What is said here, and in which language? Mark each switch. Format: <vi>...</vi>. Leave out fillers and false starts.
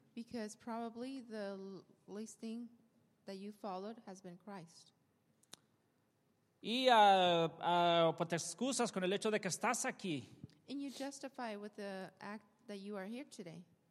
<en>Because probably the least thing that you followed has been Christ.</en> <es>Y pues te excusas con el hecho de que estás aquí.</es> <en>And you justify with the act that you are here today.</en>